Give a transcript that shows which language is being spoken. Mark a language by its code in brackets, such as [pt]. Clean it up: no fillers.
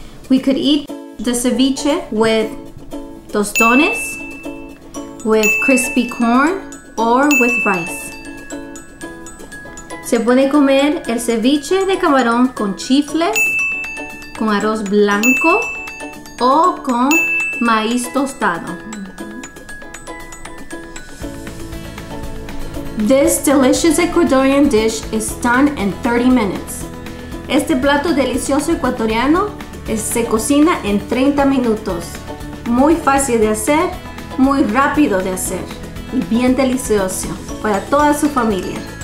[en] We could eat the ceviche with tostones, with crispy corn, or with rice. [es] Se puede comer el ceviche de camarón con chifles, con arroz blanco, o con maíz tostado. [en] This delicious Ecuadorian dish is done in 30 minutes. [es] Este plato delicioso ecuatoriano se cocina en 30 minutos. Muy fácil de hacer, muy rápido de hacer y bien delicioso para toda su familia.